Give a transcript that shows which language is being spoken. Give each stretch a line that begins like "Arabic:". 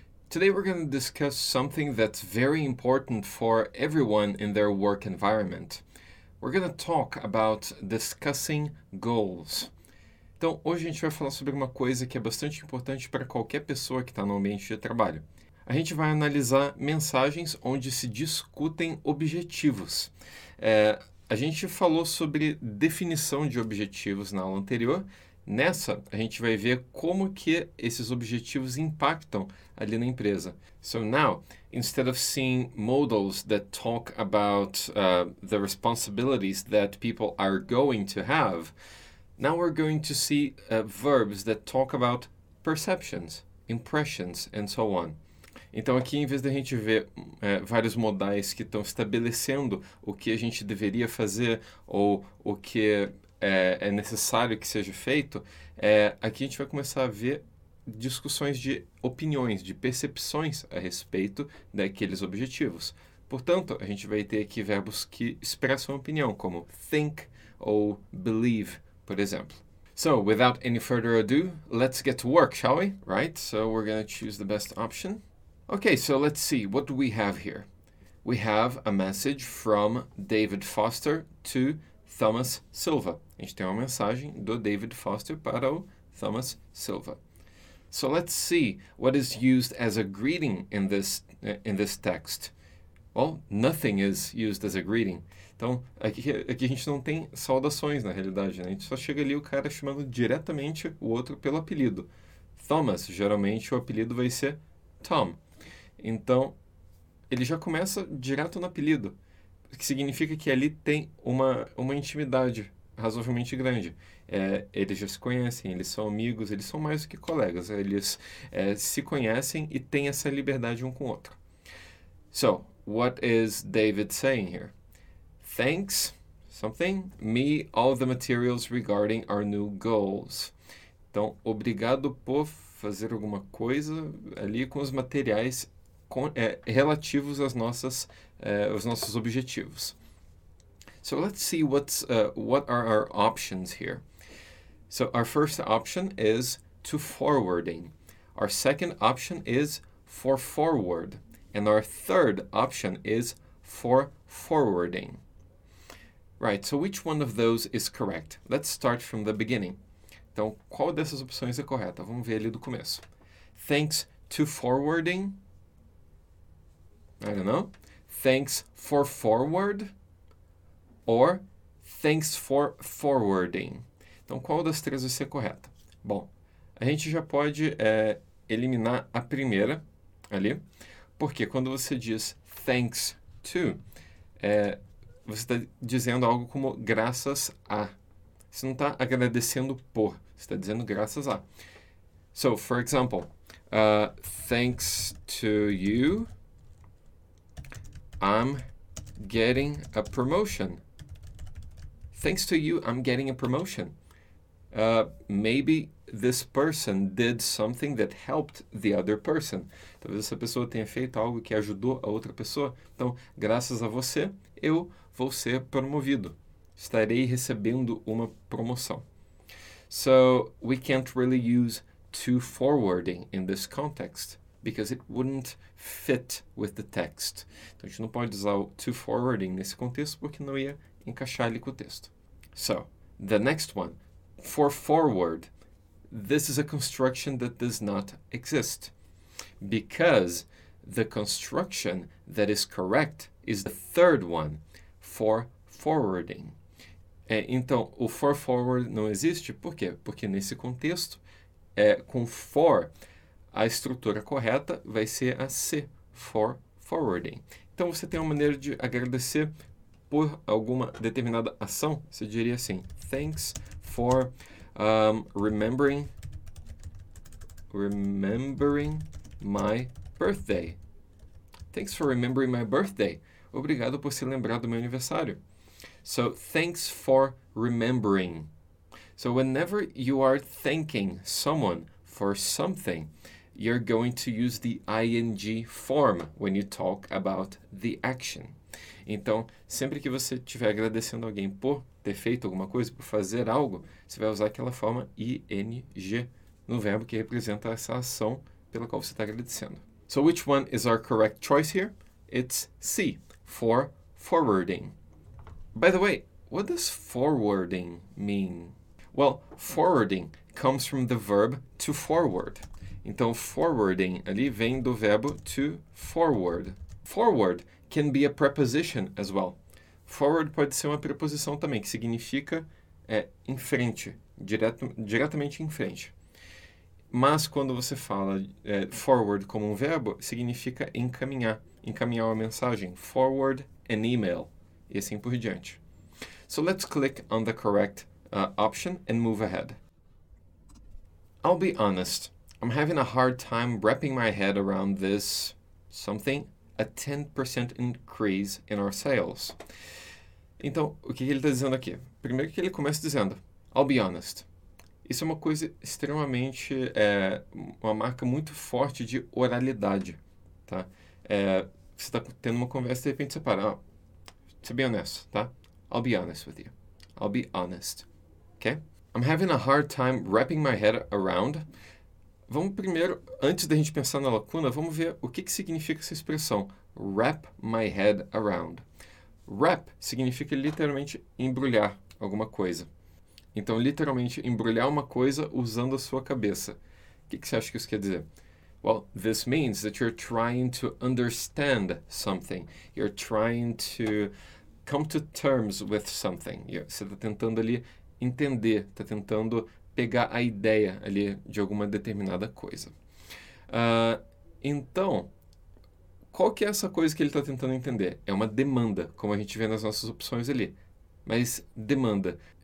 English: Today we're going to discuss something that's very important for everyone in their work environment. We're going to talk about discussing goals.
Portuguese: Então, hoje a gente vai falar sobre uma coisa que é bastante importante para qualquer pessoa que está no ambiente de trabalho. A gente vai analisar mensagens onde se discutem objetivos. A gente falou sobre definição de objetivos na aula anterior. Nessa, a gente vai ver como que esses objetivos impactam ali na empresa.
English: So now, instead of seeing models that talk about the responsibilities that people are going to have, now we're going to see verbs that talk about perceptions, impressions, and so on.
Portuguese: Então, aqui, em vez de a gente ver vários modais que estão estabelecendo o que a gente deveria fazer ou o que é necessário que seja feito, aqui a gente vai começar a ver discussões de opiniões, de percepções a respeito daqueles objetivos. Portanto, a gente vai ter aqui verbos que expressam opinião, como think ou believe, por exemplo.
English: So, without any further ado, let's get to work, shall we? Right? So, we're going to choose the best option. Okay, so let's see. What do we have here? We have a message from David Foster to Thomas Silva.
Portuguese: A gente tem uma mensagem do David Foster para o Thomas Silva.
English: So, let's see what is used as a greeting in this text. Well, nothing is used as a greeting.
Portuguese: Então, aqui a gente não tem saudações, na realidade, né? A gente só chega ali o cara chamando diretamente o outro pelo apelido. Thomas, geralmente, o apelido vai ser Tom. Então, ele já começa direto no apelido, o que significa que ali tem uma intimidade razoavelmente grande. Eles já se conhecem, eles são amigos, eles são mais do que colegas. Eles se conhecem e têm essa liberdade um com o outro.
English: So, what is David saying here? Thanks, something, me, all the materials regarding our new goals.
Portuguese: Então, obrigado por fazer alguma coisa ali com os materiais relativos às nossas aos nossos objetivos.
English: So let's see what are our options here. So our first option is to forwarding. Our second option is for forward. And our third option is for forwarding. Right, so which one of those is correct? Let's start from the beginning.
Portuguese: Então, qual dessas opções é correta? Vamos ver ali do começo.
English: Thanks to forwarding. I don't know. Thanks for forward. Or thanks for forwarding.
Portuguese: Então, qual das três vai ser correta? Bom, a gente já pode eliminar a primeira ali. Porque quando você diz thanks to, você está dizendo algo como graças a. Você não está agradecendo por. Você está dizendo graças a.
English: So, for example, thanks to you, I'm getting a promotion. Thanks to you, I'm getting a promotion. Maybe this person did something that helped the other person.
Portuguese: Talvez essa pessoa tenha feito algo que ajudou a outra pessoa. Então, graças a você, eu vou ser promovido. Estarei recebendo uma promoção.
English: So, we can't really use to forwarding in this context because it wouldn't fit with the text.
Portuguese: Então, a gente não pode usar o to forwarding nesse contexto porque não ia encaixar ali com o texto.
English: So, the next one, for forward. This is a construction that does not exist because the construction that is correct is the third one, for forwarding.
Portuguese: Então, o for forward não existe, por quê? Porque nesse contexto, com for, a estrutura correta vai ser a C, for forwarding. Então, você tem uma maneira de agradecer por alguma determinada ação, você diria assim,
English: thanks for remembering my birthday. Thanks for remembering my birthday.
Portuguese: Obrigado por se lembrar do meu aniversário.
English: So, thanks for remembering. So, whenever you are thanking someone for something, you're going to use the ing form when you talk about the action.
Portuguese: Então, sempre que você estiver agradecendo alguém por ter feito alguma coisa, por fazer algo, você vai usar aquela forma ing no verbo que representa essa ação pela qual você está agradecendo.
English: So which one is our correct choice here? It's C, for forwarding. By the way, what does forwarding mean? Well, forwarding comes from the verb to forward.
Portuguese: Então, forwarding ali vem do verbo to forward.
English: Forward can be a preposition as well.
Portuguese: Forward pode ser uma preposição também, que significa em frente, diretamente em frente. Mas quando você fala forward como um verbo, significa encaminhar, encaminhar uma mensagem.
English: Forward an email,
Portuguese: e assim por diante.
English: So let's click on the correct option and move ahead. I'll be honest, I'm having a hard time wrapping my head around this something, a 10% increase in our sales.
Portuguese: Então, o que ele está dizendo aqui? Primeiro que ele começa dizendo,
English: I'll be honest.
Portuguese: Isso é uma coisa extremamente, uma marca muito forte de oralidade, tá? Você está tendo uma conversa e de repente você para,
English: to be honest,
Portuguese: tá?
English: I'll be honest with you. I'll be honest. Okay? I'm having a hard time wrapping my head around.
Portuguese: Vamos primeiro, antes da gente pensar na lacuna, vamos ver o que significa essa expressão, wrap my head around. Wrap significa literalmente embrulhar alguma coisa. Então, literalmente, embrulhar uma coisa usando a sua cabeça. O que você acha que isso quer dizer?
English: Well, this means that you're trying to understand something. You're trying to come to terms with something.
Portuguese: Você está tentando ali entender, está tentando pegar a ideia ali de alguma determinada coisa. Então, qual que é essa coisa que ele está tentando entender? É uma demanda, como a gente vê nas nossas opções ali. Mas demanda.